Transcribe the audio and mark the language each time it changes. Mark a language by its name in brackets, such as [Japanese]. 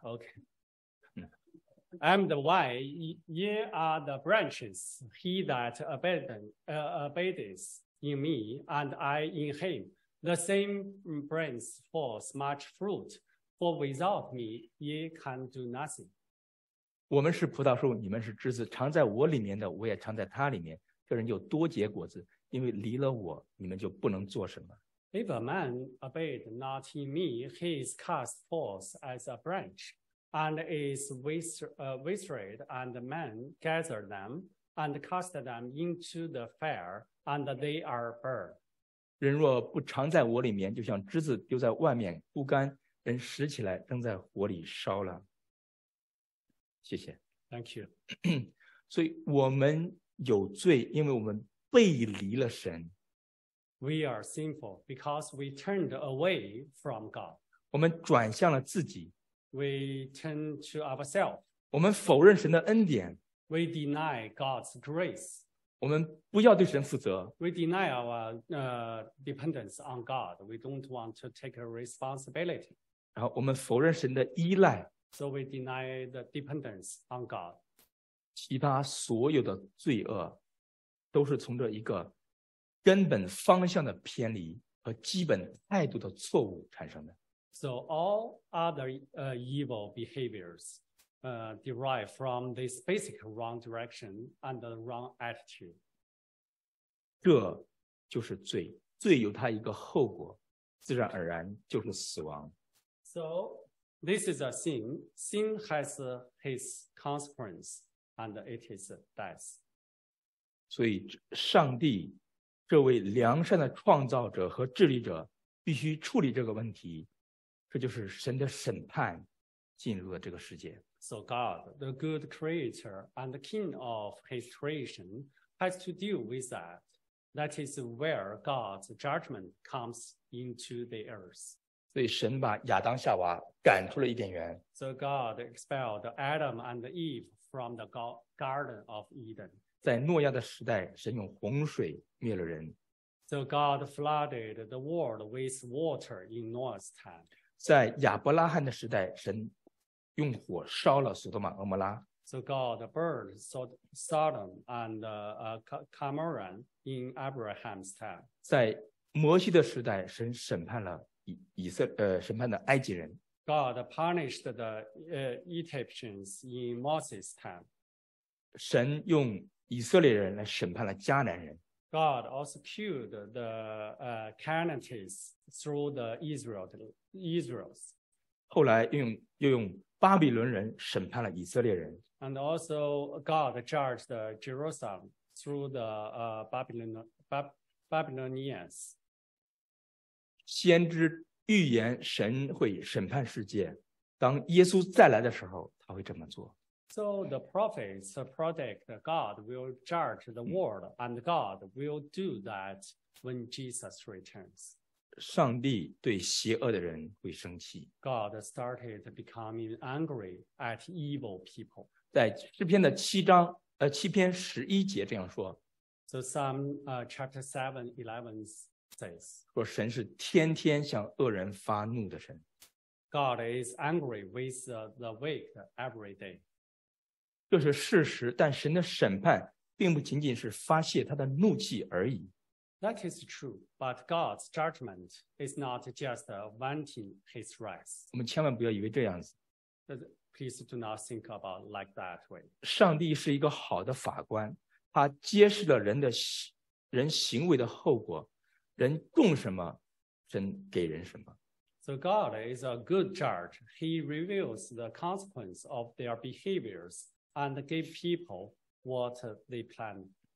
[English] OK I'm the vine, ye are the branches. He that abideth in me and I in him, the same brings forth much fruit. For without me, ye can do nothing. [Chinese] 我们是葡萄树，你们是枝子。常在我里面的，我也常在他里面。这人就多结果子，因为离了我，你们就不能做什么。 [English] If a man abide not in me, he is cast forth as a branch, and is withered, and men gather them, and cast them into the fire, and they are burned. [Chinese] 人若不常在我里面，就像枝子丢在外面，不干。人拾起来扔在火里烧了。谢谢。 [English] Thank you. [Chinese] 所以我们有罪，因为我们背离了神。 [English] We are sinful because we turned away from God. [Chinese] 我们转向了自己。 [English] We turn to ourselves. [Chinese] 我们否认神的恩典。 [English] We deny God's grace. [Chinese] 我们不要对神负责。 [English] We deny our dependence on God. We don't want to take a responsibility. [Chinese] 然后我们否认神的依赖 [English] So we deny the dependence on God. [Chinese] 其他所有的罪恶都是从这一个根本方向的偏离和基本态度的错误产生的 [English] So all other evil behaviors derive from this basic wrong direction and the wrong attitude. [Chinese] 这就是罪罪有它一个后果自然而然就是死亡 [English] So, this is a sin. Sin has his consequence, and it is death. [Chinese] 所以上帝这位良善的创造者和治理者必须处理这个问题。这就是神的审判进入了这个世界。 [English] So God, the good creator and the king of his creation, has to deal with that. That is where God's judgment comes into the earth. [Chinese] 所以神把亚当夏娃赶出了伊甸园。 [English] So God expelled Adam and Eve from the Garden of Eden. [Chinese] 在诺亚的时代，神用洪水灭了人。 [English] So God flooded the world with water in Noah's time. [Chinese] 在亚伯拉罕的时代，神用火烧了索多玛、俄摩拉。 [English] So God burned Sodom and Gomorrah in Abraham's time. [Chinese] 在摩西的时代，神审判了。审判的埃及人 [English] God punished the Egyptians in Moses' time [Chinese] 神用以色列人来审判了迦南人 [English] God also killed the Canaanites through the Israels [Chinese] 后来又用巴比伦人审判了以色列人 [English] And also God judged Jerusalem through the Babylonians [Chinese] 先知预言神会审判世界，当耶稣再来的时候，他会这么做。 [English] So the prophets predict God will judge the world, and God will do that when Jesus returns. [Chinese] 上帝对邪恶的人会生气。 [English] God started becoming angry at evil people. [Chinese] 在诗篇的七章，七篇十一节这样说。 [English] So Psalm chapter 7, 11 says, [Chinese] 说神是天天向恶人发怒的神。 [English] God is angry with the wicked every day. [Chinese] 这是事实，但神的审判并不仅仅是发泄他的怒气而已。 [English] That is true, but God's judgment is not just venting his wrath. [Chinese] 我们千万不要以为这样子。 [English] Please do not think about like that way. [Chinese] 上帝是一个好的法官，他揭示了人行为的后果，人种什么，神给人什么。 [English] So God is a good judge. He reveals the consequence of their behaviors and give people what they plan.